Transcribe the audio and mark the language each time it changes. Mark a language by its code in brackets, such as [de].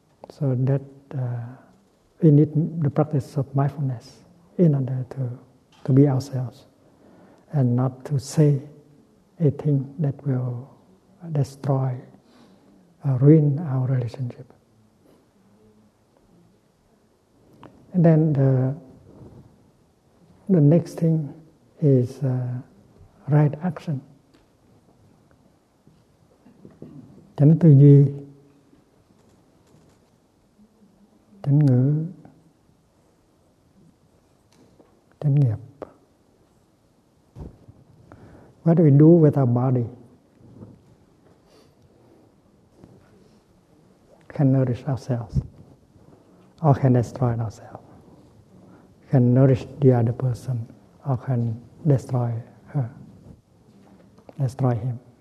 [en] So that we need the practice of mindfulness in order to be ourselves and not to say a thing that will destroy or ruin our relationship. And then the next thing is right action. [vi] Chánh tư duy, chánh ngữ, chánh nghiệp. [en] What do we do with our body can nourish ourselves or can destroy ourselves, can nourish the other person or can destroy her, destroy him.